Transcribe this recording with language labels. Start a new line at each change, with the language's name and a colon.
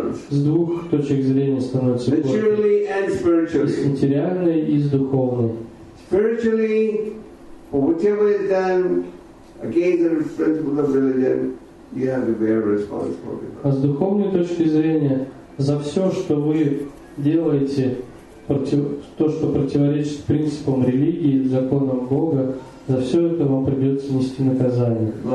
Russian: С двух точек зрения становится горьким. С материальной и с духовной.
English: Spiritually, whatever is done against the principles of religion, you have to bear responsibility.
Russian: А с духовной точки зрения, за все, что вы делаете, то, что противоречит принципам религии, законам Бога, за все это вам придется нести наказание.